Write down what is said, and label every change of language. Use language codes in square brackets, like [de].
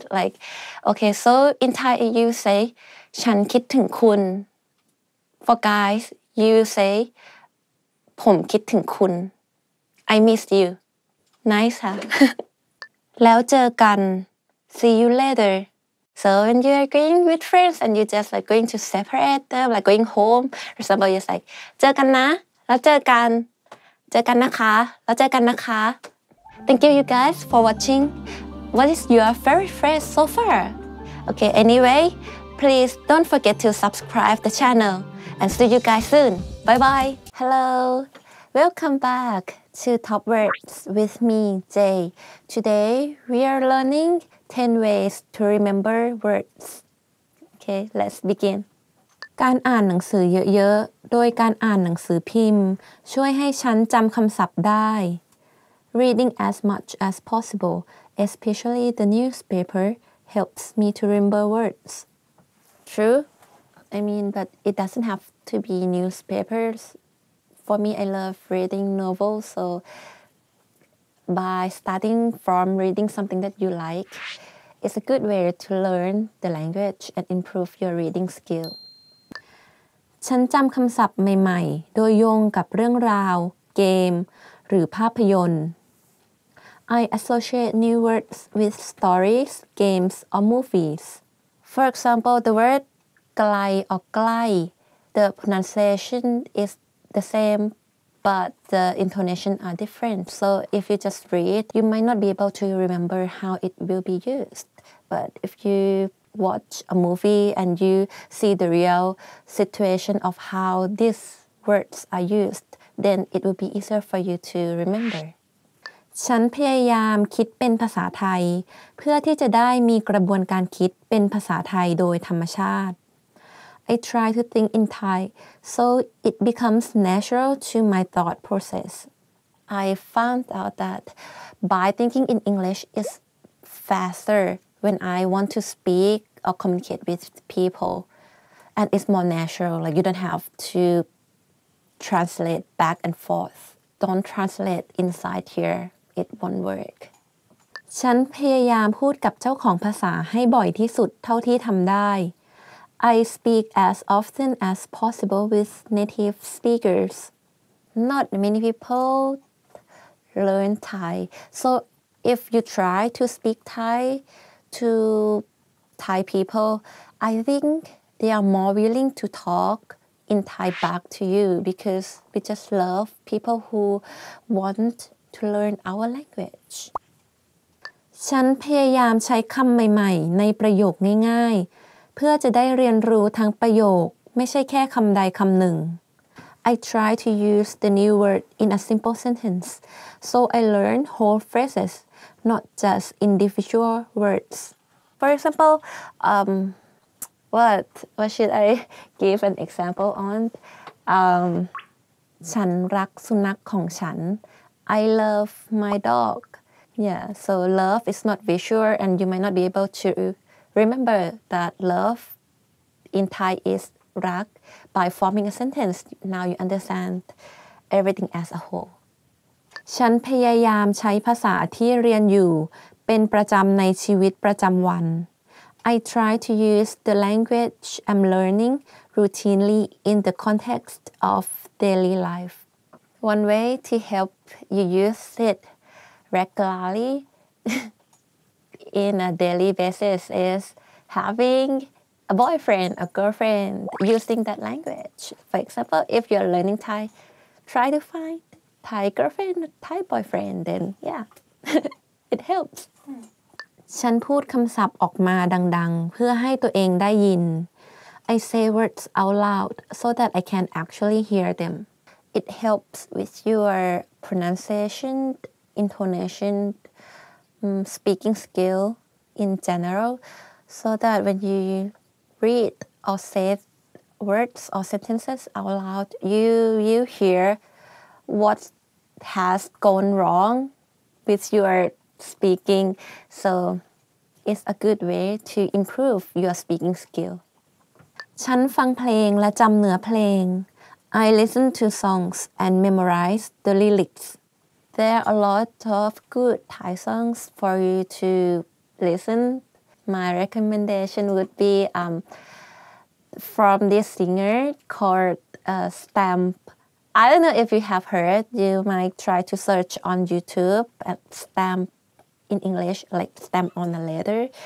[en] Like, okay, so in Thai you say [th] ฉันคิดถึงคุณ [en] For guys, you say [th] ผมคิดถึงคุณ [en] I miss you. Nice, huh? [th] แล้วเจอกัน [en] See you later. So when you are going with friends and you just like going to separate them, like going home, for example, you say, [th] เจอกันนะแล้วเจอกันเจอกันนะคะแล้วเจอกันนะคะ [en] Thank you, you guys, for watching. What is your favorite phrase so far? Okay, anyway, please don't forget to subscribe the channel and see you guys soon. Bye-bye. Hello. Welcome back to Top Words with me, Jay. Today, we are learning... 10 ways to remember words. Okay, let's begin. [th] การอ่านหนังสือเยอะๆโดยการอ่านหนังสือพิมพ์ช่วยให้ฉันจำคำศัพท์ได้ [en] Reading as much as possible, especially the newspaper, helps me to remember words. True. I mean, but it doesn't have to be newspapers. For me, I love reading novels, so... By starting from reading something that you like, it's a good way to learn the language and improve your reading skill. [th] ฉันจำคำศัพท์ใหม่ๆโดยโยงกับเรื่องราวเกมหรือภาพยนตร์ [en] I associate new words with stories, games, or movies. For example, the word ไกล or ใกล้ the pronunciation is the same. But the intonation are different. So if you just read, you might not be able to remember how it will be used. But if you watch a movie and you see the real situation of how these words are used, then it will be easier for you to remember. [th] ฉันพยายามคิดเป็นภาษาไทยเพื่อที่จะได้มีกระบวนการคิดเป็นภาษาไทยโดยธรรมชาติ [en] I try to think in Thai, so it becomes natural to my thought process. I found out that by thinking in English is faster when I want to speak or communicate with people. And it's more natural, like you don't have to translate back and forth. Don't translate inside here, it won't work. [th] ฉันพยายามพูดกับเจ้าของภาษาให้บ่อยที่สุดเท่าที่ทำได้ [en] I speak as often as possible with native speakers. Not many people learn Thai. So if you try to speak Thai to Thai people, I think they are more willing to talk in Thai back to you because we just love people who want to learn our language. [th] ฉันพยายามใช้คำใหม่ๆในประโยคง่ายๆเพื่อจะได้เรียนรู้ทั้งประโยคไม่ใช่แค่คำใดคำหนึ่ง [en] I try to use the new word in a simple sentence so I learn whole phrases not just individual words for example what should I give an example on [th] ฉันรักสุนัขของฉัน [en] I love my dog yeah so love is not visual and you might not be able toRemember that love in Thai is rak. By forming a sentence, now you understand everything as a whole. [th] ฉันพยายามใช้ภาษาที่เรียนอยู่เป็นประจำในชีวิตประจำวัน [en] I try to use the language I'm learning routinely in the context of daily life. One way to help you use it regularly in a daily basis is having a boyfriend, a girlfriend, using that language. For example, if you're learning Thai, try to find Thai girlfriend, Thai boyfriend, then yeah, it helps. [th] ฉันพูดคำศัพท์ออกมาดังๆเพื่อให้ตัวเองได้ยิน [en] I say words out loud so that I can actually hear them. It helps with your pronunciation, intonation, speaking skill in general, so that when you read or say words or sentences out loud, you hear what has gone wrong with your speaking. So it's a good way to improve your speaking skill. [th] ฉันฟังเพลงและจำเนื้อเพลง [en] I listen to songs and memorize the lyrics. There are a lot of good Thai songs for you to listen. My recommendation would be from this singer called Stamp. I don't know if you have heard. You might try to search on YouTube and Stamp in English, like stamp on a letter.